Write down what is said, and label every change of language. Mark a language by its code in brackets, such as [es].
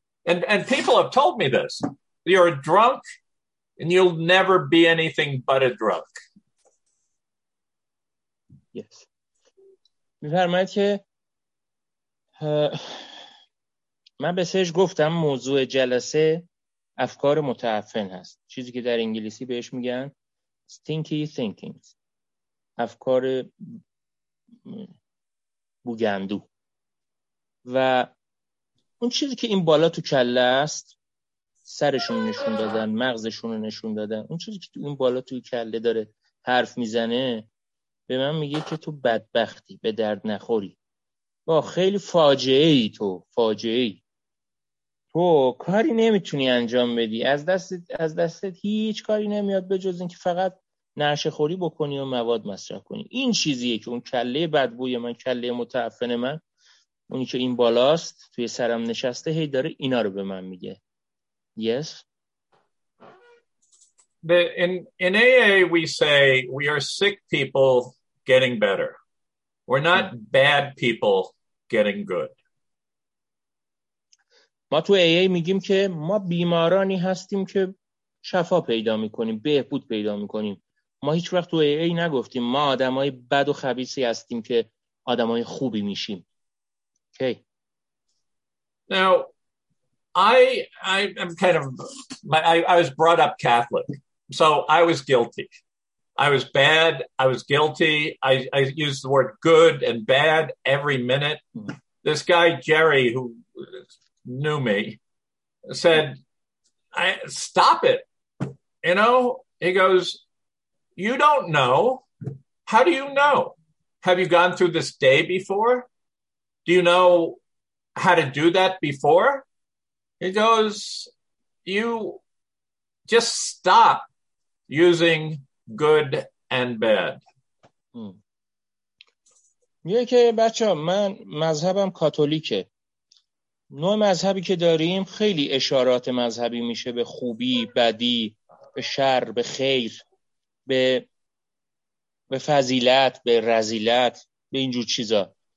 [en] And people have told me this. You're a drunk and you'll never be anything but a drunk. Yes. [fa] می‌فرماید که من به سرش گفتم موضوع جلسه افکار متعفن هست، چیزی که در انگلیسی بهش میگن [en] stinky thinking، [fa] افکار بوگندو، و اون چیزی که این بالا تو کله است، سرشون نشون دادن، مغزشون رو نشون دادن، اون چیزی که اون بالا توی کله داره حرف میزنه به من میگه که تو بدبختی، به درد نخوری، با خیلی فاجعه ای، تو فاجعه ای، تو کاری نمیتونی انجام بدی، از دستت هیچ کاری نمیاد به جز اینکه فقط نشه خوری بکنی و مواد مصرف کنی. این چیزیه که اون کله بدبوی من، کله متعفن من، اونی که این بالاست توی سرم نشسته، هی داره اینا رو به من میگه. [en] Yes. In AA we say we are sick people getting better. We're not bad people getting good. [fa] ما تو AA میگیم که ما بیمارانی هستیم که شفا پیدا میکنیم، بهبود پیدا میکنیم. ما هیچ وقت تو AA نگفتیم ما آدمای بد و خبیثی هستیم که آدمای خوبی میشیم. [en] Okay. Now I am kind of, I was brought up Catholic, so I was guilty. I was bad, I was guilty. I used the word good and bad every minute. This guy, Jerry, who knew me, said, stop it. You know, he goes, you don't know. How do you know? Have you gone through this day before? Do you know how to do that before? He goes, you just stop using good and bad. [fa] میگه که بچه ها من مذهبم کاتولیکه. نوع مذهبی که داریم خیلی اشارات مذهبی میشه به خوبی، بدی، به شر، به خیر، به فضیلت، به رذیلت، به اینجور چیزا.